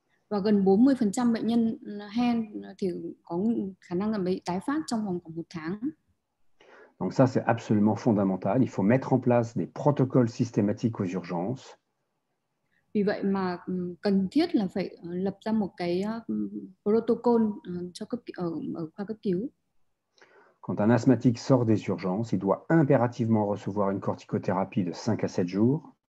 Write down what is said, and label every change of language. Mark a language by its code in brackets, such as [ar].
[vi] Và gần 40% bệnh nhân hen thì có khả năng là bị tái phát trong vòng khoảng 1 tháng. [fr] Donc ça, c'est absolument fondamental. Il faut mettre en place des protocoles systématiques aux urgences. [vi] Vì vậy mà cần thiết là phải lập ra một cái protocol cho cấp ở khoa cấp cứu. [fr] Quand un asthmatique sort des urgences, il doit impérativement recevoir une corticothérapie de 5 à 7 jours.